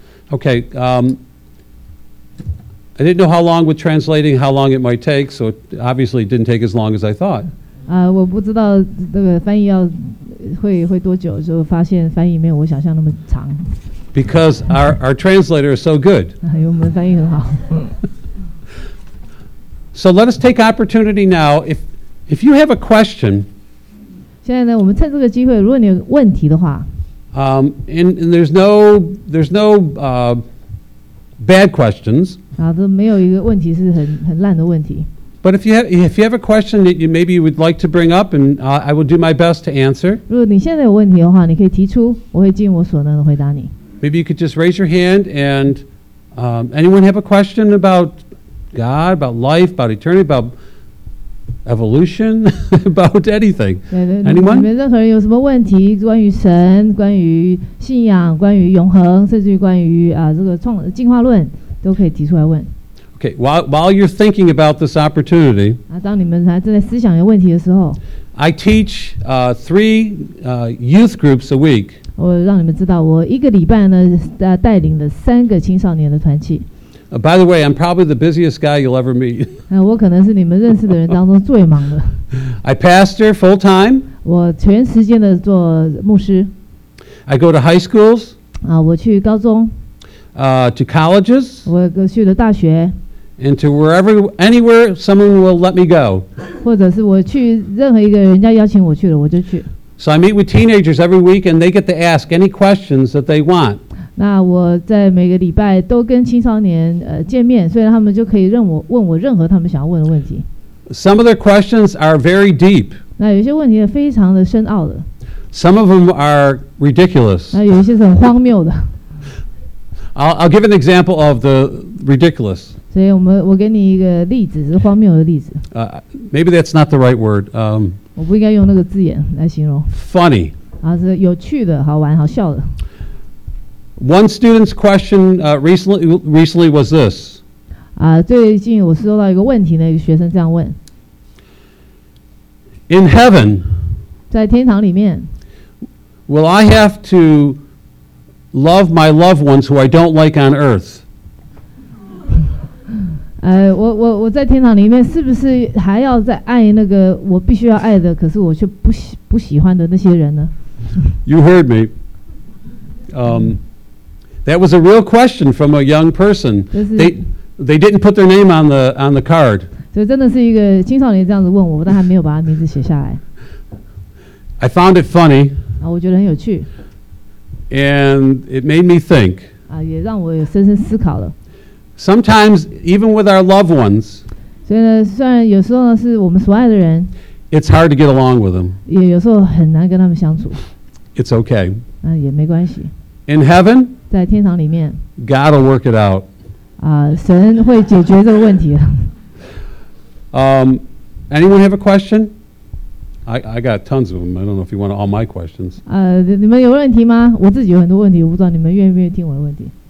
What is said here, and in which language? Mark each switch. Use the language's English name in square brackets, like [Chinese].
[English] Okay, I didn't know how long with translating how long it might take, so it obviously didn't take as long as I thought. [Chinese] 我不知道这个翻译要会多久，就发现翻译没有我想象那么长。 [English] Because our translator is so good. [Chinese] 因为我们翻译很好。 [English] So let us take opportunity now. If you have a question. [Chinese] 现在呢，我们趁这个机会，如果你有问题的话。 [English] And there's no bad questions. [Chinese] 这没有一个问题是很烂的问题。 [English] But if you have a question that you maybe would like to bring up, and I will do my best to answer. [Chinese] 如果你现在有问题的话，你可以提出，我会尽我所能的回答你。 [English] Maybe you could just raise your hand, and anyone have a question about God, about life, about eternity, about Evolution about anything. [Chinese] 对对 [English] Anyone? [Chinese] 你们任何人有什么问题？关于神、关于信仰、关于永恒，甚至于关于这个进化论，都可以提出来问。 [English] Okay, while you're thinking about this opportunity, [Chinese] 当你们还正在思想有问题的时候 [English] ，I teach three youth groups a week. [Chinese] 我让你们知道，我一个礼拜呢，带领了三个青少年的团契。 [English] By the way, I'm probably the busiest guy you'll ever meet. [Chinese] 我可能是你们认识的人当中最忙的。 [English] I pastor full time. [Chinese] 我全时间的做牧师。 [English] I go to high schools. [Chinese] 我去高中。 [English] To colleges. [Chinese] 我去了大学。 [English] into wherever, anywhere someone will let me go. [Chinese] 或者是我去任何一个人家邀请我去了，我就去。 [English] So I meet with teenagers every week, and they get to ask any questions that they want. [Chinese] 那我在每个礼拜都跟青少年见面，所以他们就可以问我任何他们想要问的问题。 [English] Some of their questions are very deep. [Chinese] 那有些问题非常的深奥的。 [English] Some of them are ridiculous. [Chinese] 那有一些是很荒谬的。 [English] I'll give an example of the ridiculous. [Chinese] 所以我给你一个例子，是荒谬的例子。 [English] Maybe that's not the right word. [Chinese] 我不应该用那个字眼来形容。 [English] Funny. [Chinese] 是有趣的，好玩，好笑的。 [English] One student's question recently was this. [Chinese] 最近我收到一个问题呢，一个学生这样问。 [English] In heaven. [Chinese] 在天堂里面。 [English] Will I have to love my loved ones who I don't like on earth? [Chinese] 我在天堂里面是不是还要再爱那个我必须要爱的，可是我却不喜欢的那些人呢？ [English] You heard me. That was a real question from a young person. They didn't put their name on the card. [Chinese] 所以真的是一个青少年这样子问我，但还没有把他名字写下来。 [English] I found it funny. [Chinese] 我觉得很有趣。 [English] And it made me think. [Chinese] 也让我深深思考了。 [English] Sometimes, even with our loved ones, [Chinese] 所以呢，虽然有时候呢是我们所爱的人， [English] it's hard to get along with them. [Chinese] 也有时候很难跟他们相处。 [English] It's okay. [Chinese] 也没关系。 [English] In heaven, [Chinese] 在天堂里面， [English] God will work it out. [Chinese] 神会解决这个问题。 [English] Anyone have a question? I got tons of them. I don't know if you want all my questions. [Chinese] 你们有问题吗？我自己有很多问题，我不知道你们愿不愿意听我的问题。